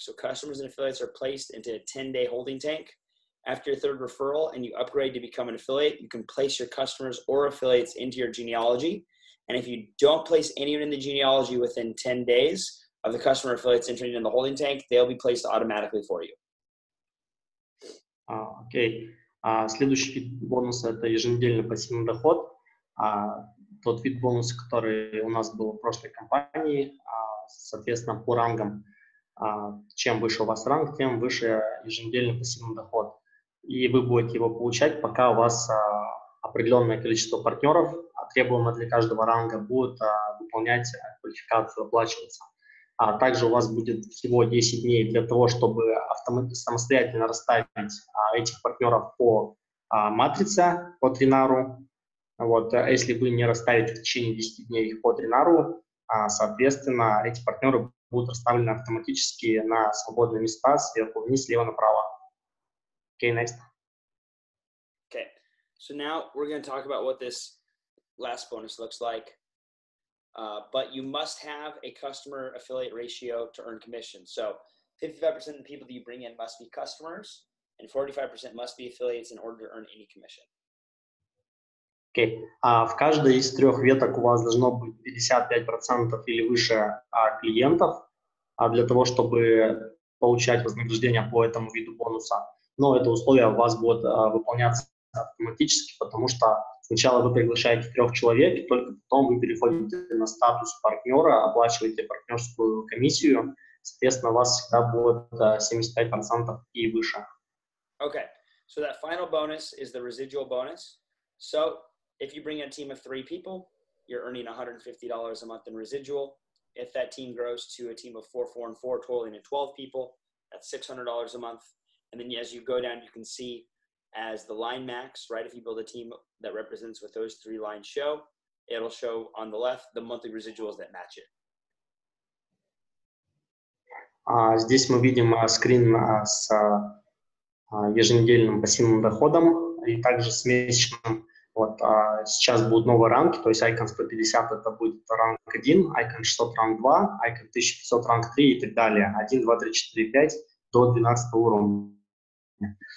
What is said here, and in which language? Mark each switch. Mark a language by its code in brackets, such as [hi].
[en] So customers and affiliates are placed into a 10-day holding tank. After your third referral and you upgrade to become an affiliate, you can place your customers or affiliates into your genealogy. And if you don't place anyone in the genealogy within 10 days of the customer affiliates entering in the holding tank, they'll be placed automatically for you. Okay. [ru] Следующий бонус – это еженедельный пассивный доход. Тот вид бонуса, который у нас был в прошлой компании, соответственно, по рангам. Чем выше у вас ранг, тем выше еженедельный пассивный доход. И вы будете его получать, пока у вас определенное количество партнеров, требуемое для каждого ранга, будет выполнять квалификацию, оплачиваться. Также у вас будет всего 10 дней для того, чтобы самостоятельно расставить этих партнеров по матрице, по тренару. Вот, если вы не расставите в течение 10 дней их по тренару, соответственно, эти партнеры будут расставлены автоматически на свободные места сверху вниз, слева направо. [en] Okay, next. Okay, so now we're going to talk about what this last bonus looks like. But you must have a customer affiliate ratio to earn commission. So 55% of the people that you bring in must be customers, and 45% must be affiliates in order to earn any commission. [ru] Окей. В каждой из трех веток у вас должно быть 55% или выше клиентов для того, чтобы получать вознаграждение по этому виду бонуса. Но это условие у вас будет выполняться автоматически, потому что сначала вы приглашаете трех человек, и только потом вы переходите на статус партнера, оплачиваете партнерскую комиссию. Соответственно, у вас всегда будет 75% и выше. [en] Okay. So that final bonus is the residual bonus. So if you bring a team of three people, you're earning $150 a month in residual. If that team grows to a team of four, four, and four, totaling to 12 people, that's $600 a month. And then as you go down, you can see as the line max, right? If you build a team that represents what those three lines show, it'll show on the left the monthly residuals that match it. [ru] Здесь мы видим скрин с еженедельным пассивным доходом и также с месячным. Вот, сейчас будут новые ранги, то есть Icon 150 это будет ранг 1, Icon 600 ранг 2, Icon 1500 ранг 3 и так далее. 1, 2, 3, 4, 5 до 12 уровня. сегодня.